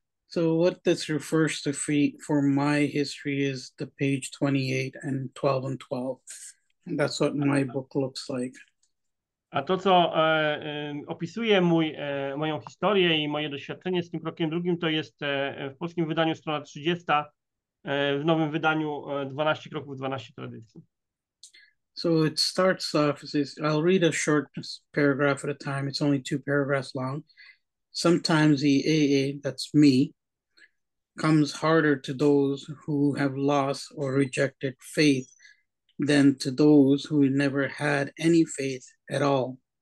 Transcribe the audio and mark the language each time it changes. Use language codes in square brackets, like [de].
[en] So what this refers to for my history is the page 28 and 12 and 12. And that's what my book looks like. [pl] A to, co opisuje moją historię i moje doświadczenie z tym krokiem drugim, to jest w polskim wydaniu strona 30, w nowym wydaniu 12 kroków, 12 tradycji. [en] So it starts off, I'll read a short paragraph at a time. It's only two paragraphs long. Sometimes the AA, that's me, comes harder to those who have lost or rejected faith than to those who never had any faith at all.